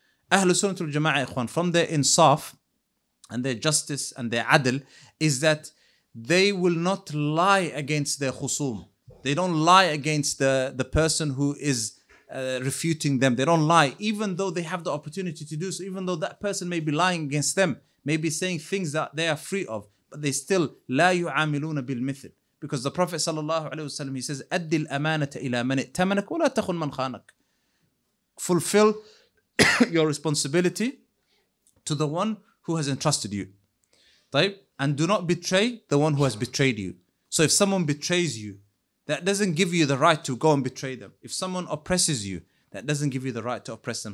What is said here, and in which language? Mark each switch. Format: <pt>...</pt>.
<en>Ahlu Sunnah wal Jama'ah, ikhwan, from their insaf and their justice and their adl, is that they will not lie against their khusum. They don't lie against the person who is refuting them. They don't lie, even though they have the opportunity to do so, even though that person may be lying against them, may be saying things that they are free of, but they still,</en> <ar>لا يعاملون بالمثل.</ar> <en>Because the Prophet sallallahu alaihi wasallam, he says,</en> <ar>أَدِّ الْأَمَانَةَ إِلَى مَنِ اتَّمَنَكَ وَلَا تَخُنْ مَنْ خَانَكَ.</ar> <en>Fulfill your responsibility to the one who has entrusted you.</en> <ar>طيب.</ar> <en>And do not betray the one who has betrayed you. So if someone betrays you, that doesn't give you the right to go and betray them. If someone oppresses you, that doesn't give you the right to oppress them.</en>